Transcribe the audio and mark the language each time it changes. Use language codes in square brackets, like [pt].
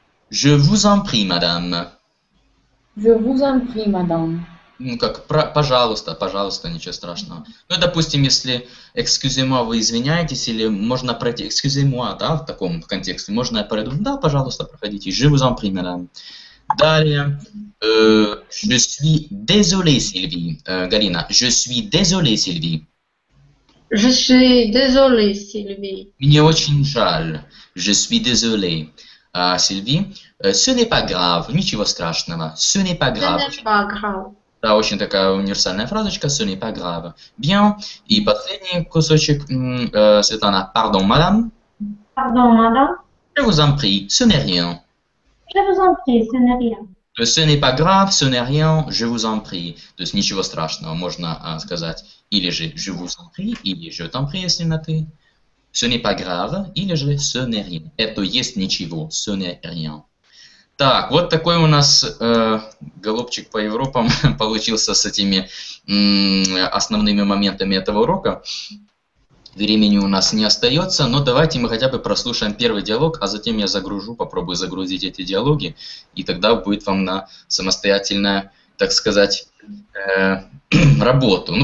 [fr] «Je vous en prie, madame». «Je vous en prie, madame». [ru] Ну, как «пожалуйста», «пожалуйста», ничего страшного. Ну, допустим, если [fr] «excusez-moi», [ru] вы извиняетесь, или можно пройти «excusez-moi», да, в таком контексте, можно я пройду, да, пожалуйста, проходите, [fr] «je vous en prie, madame». Dalia, je suis désolée, Sylvie. Galina, je suis désolée, Sylvie. Je suis désolée, Sylvie. Minyo Chinchal, je suis désolée. Sylvie, ce n'est pas grave, [ru] ничего страшного, [fr] ce n'est pas grave. Ce n'est pas grave. [ru] Да, очень такая универсальная фразочка, [fr] ce n'est pas grave. [ru] Bien, и последний кусочек, Светлана, [fr] pardon, madame. Pardon, madame. Je vous en prie, ce n'est rien. Je vous en prie, ce n'est rien. Ce n'est pas grave, ce n'est rien, je vous en prie. [ru] То есть, ничего страшного, можно сказать, или же [fr] je vous en prie, [ru] или [fr] je t'en prie, [ru] если на ты. [fr] Ce n'est pas grave, [ru] или же [fr] ce n'est rien. [ru] Это есть ничего, [fr] ce n'est rien. [ru] Так, вот такой у нас голубчик по Европам получился с этими основными моментами этого урока. Времени у нас не остается, но давайте мы хотя бы прослушаем первый диалог, а затем я загружу, попробую загрузить эти диалоги, и тогда будет вам на самостоятельное, так сказать, работу.